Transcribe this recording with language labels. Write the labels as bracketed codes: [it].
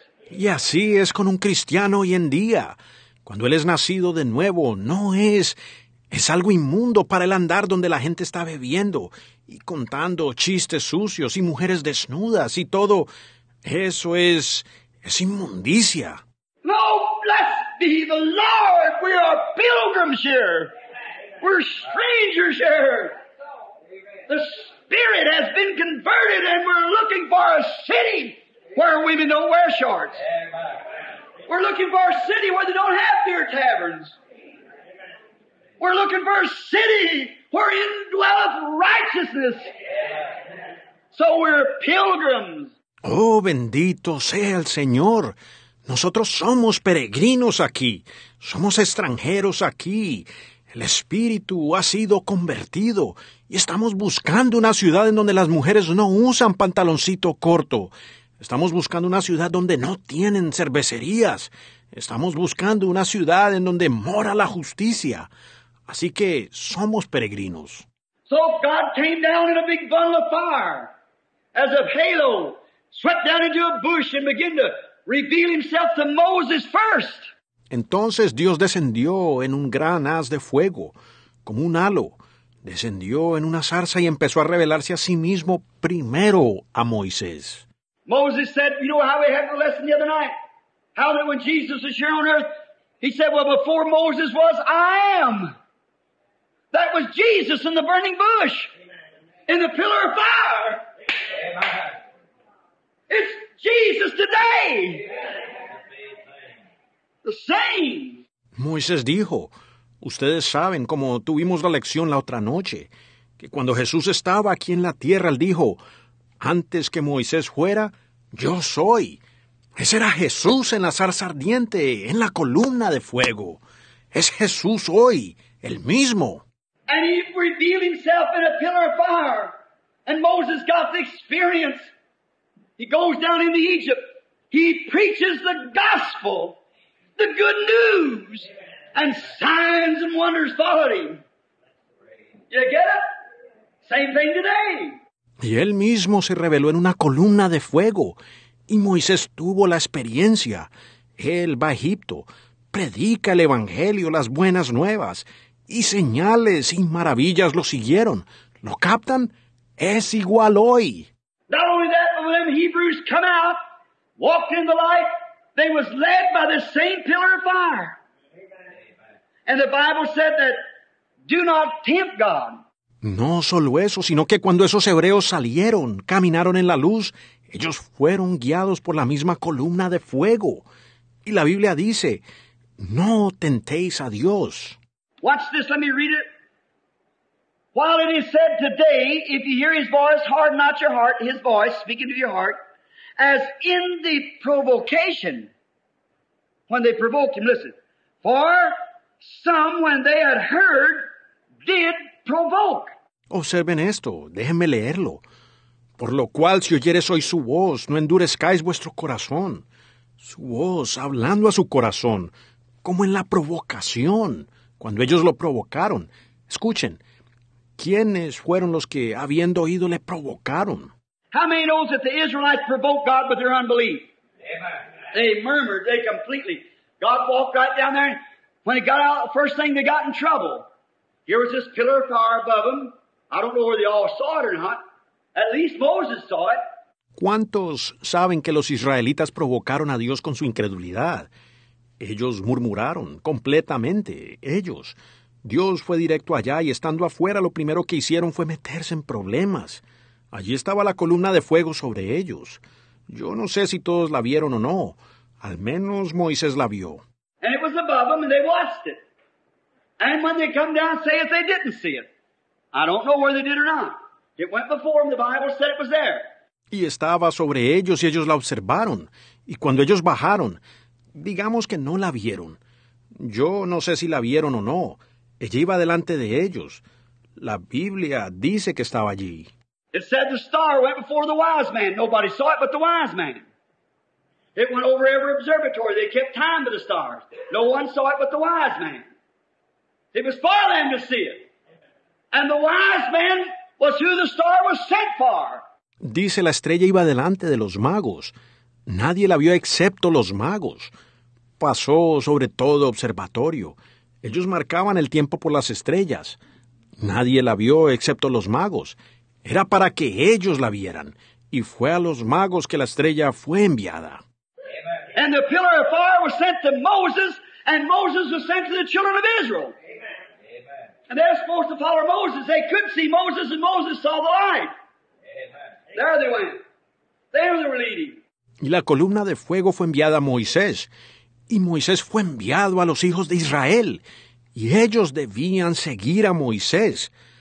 [es] Y así es con un cristiano hoy en día. Cuando él es nacido de nuevo, no es... Es algo inmundo para él andar donde la gente está bebiendo y contando chistes sucios y mujeres desnudas y todo. Eso es... Es inmundicia. [en] No, blessed be the Lord. We are pilgrims here. We're strangers here. The Spirit has been converted and we're looking for a city where women don't wear shorts. We're looking for a city where they don't have beer taverns. We're looking for a city where indwelleth righteousness. So we're pilgrims. [es] Oh, bendito sea el Señor. Nosotros somos peregrinos aquí. Somos extranjeros aquí. El Espíritu ha sido convertido y estamos buscando una ciudad en donde las mujeres no usan pantaloncito corto. Estamos buscando una ciudad donde no tienen cervecerías. Estamos buscando una ciudad en donde mora la justicia. Así que somos peregrinos. [en] So God came down in a big bundle of fire, as a halo, swept down into a bush and began to reveal himself to Moses first. [es] Entonces Dios descendió en un gran haz de fuego, como un halo. Descendió en una zarza y empezó a revelarse a sí mismo primero a Moisés. [en] Moses said, you know how we had the lesson the other night? How that when Jesus is here on earth, he said, well, before Moses was, I am. That was Jesus in the burning bush, in the pillar of fire. It's Jesus today. The same. [es] Moisés dijo, ustedes saben como tuvimos la lección la otra noche, que cuando Jesús estaba aquí en la tierra, él dijo, antes que Moisés fuera, yo soy. Ese era Jesús en la zarza ardiente, en la columna de fuego. Es Jesús hoy, el mismo. [en] And he revealed himself in a pillar of fire. And Moses got the experience. He goes down into Egypt. He preaches the gospel, the good news. And signs and wonders followed him. You get it? Same thing today. [es] Y él mismo se reveló en una columna de fuego. Y Moisés tuvo la experiencia. Él va a Egipto, predica el Evangelio, las buenas nuevas. Y señales y maravillas lo siguieron. ¿Lo captan? Es igual hoy. [en] Not only that, but when Hebrews come out, walked in the light, they was led by the same pillar of fire. And the Bible said that, do not tempt God. [es] No solo eso, sino que cuando esos hebreos salieron, caminaron en la luz, ellos fueron guiados por la misma columna de fuego. Y la Biblia dice, no tentéis a Dios. [en] Watch this, let me read it. While it is said today, if you hear his voice, harden not your heart, his voice, speaking to your heart, as in the provocation, when they provoked him, listen, for some, when they had heard, did provoke. [es] Observen esto, déjenme leerlo. Por lo cual, si oyeres hoy su voz, no endurezcáis vuestro corazón. Su voz, hablando a su corazón, como en la provocación, cuando ellos lo provocaron. Escuchen, ¿quiénes fueron los que, habiendo oído, le provocaron? [en] How many knows that the Israelites provoked God with their unbelief? Amen. They murmured, they completely. God walked right down there, and when he got out, the first thing they got in trouble. Here was this pillar of fire above them. I don't know whether they all saw it or not. At least Moses saw it. [es] ¿Cuántos saben que los israelitas provocaron a Dios con su incredulidad? Ellos murmuraron completamente, ellos. Dios fue directo allá y estando afuera, lo primero que hicieron fue meterse en problemas. Allí estaba la columna de fuego sobre ellos. Yo no sé si todos la vieron o no. Al menos Moisés la vio. [en] And it was above them and they watched it. And when they come down, say if they didn't see it. I don't know whether they did or not. It went before them, the Bible said it was there. [es] Y estaba sobre ellos y ellos la observaron. Y cuando ellos bajaron, digamos que no la vieron. Yo no sé si la vieron o no. Ella iba delante de ellos. La Biblia dice que estaba allí. [en] It said the star went before the wise man. Nobody saw it but the wise man. It went over every observatory. They kept time to the stars. No one saw it but the wise man. It was for them to see it. And the wise man was who the star was sent for. [es] Dice la estrella iba delante de los magos. Nadie la vio excepto los magos. Pasó sobre todo observatorio. Ellos marcaban el tiempo por las estrellas. Nadie la vio excepto los magos. Era para que ellos la vieran. Y fue a los magos que la estrella fue enviada. [en] And the pillar of fire was sent to Moses And Moses was sent to the children of Israel. Amen. And they're supposed to follow Moses. They could see Moses, and Moses saw the light. Amen. There they went. There they were leading. [es] Y la columna de fuego fue enviada a Moisés. Y Moisés fue enviado a los hijos de Israel. Y ellos debían seguir a Moisés.